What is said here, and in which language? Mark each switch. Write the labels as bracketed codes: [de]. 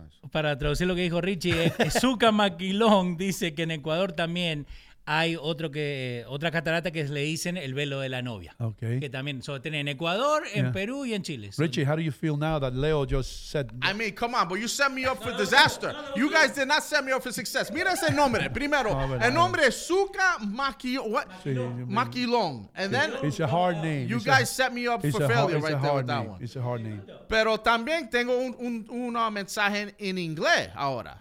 [es] Para traducir lo que dijo Richie, Suka Maquilón dice que en Ecuador también hay otra catarata que le dicen el Velo de la Novia. [en] Okay. [es] Que también se tiene en Ecuador, en yeah. Perú y en Chile. [en] Richie, how do you feel now that Leo just said... I mean, come on, but you set me up for disaster. You guys did not set me up for success. [es] Mira ese nombre, primero. El nombre es Suka Maquilón. [en] And then... It's a hard name. You guys set me up for failure right there with that one. It's a hard name. [es] Pero también tengo un mensaje en inglés ahora.